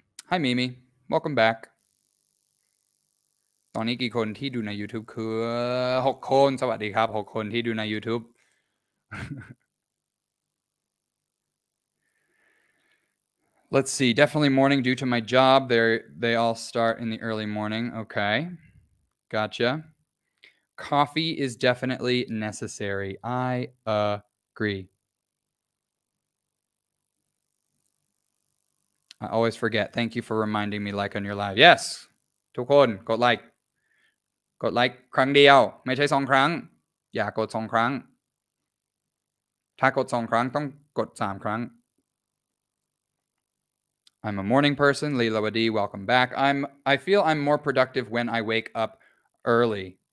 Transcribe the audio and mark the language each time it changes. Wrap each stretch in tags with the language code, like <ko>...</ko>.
<en>Hi Mimi, welcome back</en> <th>ตอนนี้กี่คนที่ดูใน YouTube</th> <en>คือ6คนสวัสดีครับ6คนที่ดูใน YouTube Let's see. Definitely morning due to my job. They all start in the early morning. Okay. Gotcha. Coffee is definitely necessary. I agree. I always forget. Thank you for reminding me, like, on your live. Yes.</en> <th>ทุกคนกดไลค์กดไลค์ครั้งเดียวไม่ใช่2ครั้งอย่ากด2ครั้งถ้ากด2ครั้งต้องกด3ครั้ง</th> <en>I'm a morning person, Leela Wadi, welcome back. I feel I'm more productive when I wake up early.</en>